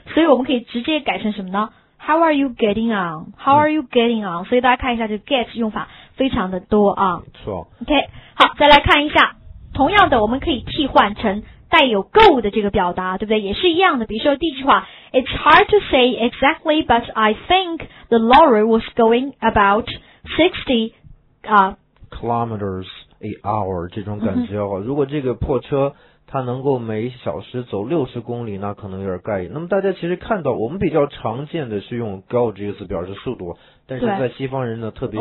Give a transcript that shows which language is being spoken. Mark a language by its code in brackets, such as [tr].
[zh] 所以我们可以直接改成什么呢？ [en] How are you getting on? How are you getting on? [zh] 所以大家看一下这个 get 用法非常的多啊。没错。 OK， 好，再来看一下，同样的我们可以替换成带有 go 的这个表达，对不对？也是一样的。比如说第一句话 [en] ，It's hard to say exactly, but I think the lorry was going about 60 kilometers a hour [zh] 这种感觉哦。如果这个破车它能够每小时走60公里，那可能有点概念。那么大家其实看到，我们比较常见的是用 go 这个词表示速度，但是在西方人呢，特别